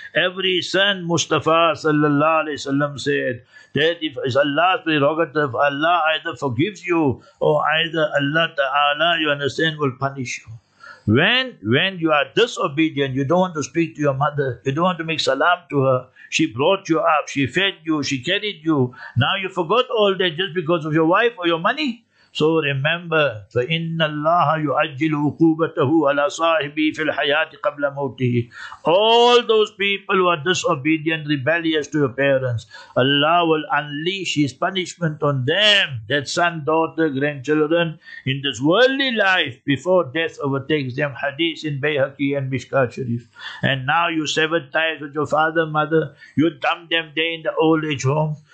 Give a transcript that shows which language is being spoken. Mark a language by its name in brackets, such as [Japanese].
[English] Every son, Mustafa sallallahu alayhi wa sallam said, that if it's Allah's prerogative, Allah either forgives you or either Allah Ta'ala, you understand, will punish you. When you are disobedient, you don't want to speak to your mother, you don't want to make salam to her. She brought you up, she fed you, she carried you. Now you forgot all that just because of your wife or your money. So remember, [Arabic] فَإِنَّ اللَّهَ يُعَجِّلُ عُقُوبَتَهُ عَلَىٰ صَاحِبِي فِي الْحَيَاةِ قَبْلَ مَوْتِهِ. [English] All those people who are disobedient, rebellious to your parents, Allah will unleash His punishment on them, that son, daughter, grandchildren, in this worldly life, before death overtakes them. Hadith in Bayhaqi and Mishkat Sharif. And now you severed ties with your father, mother, you dump them there in the old age home.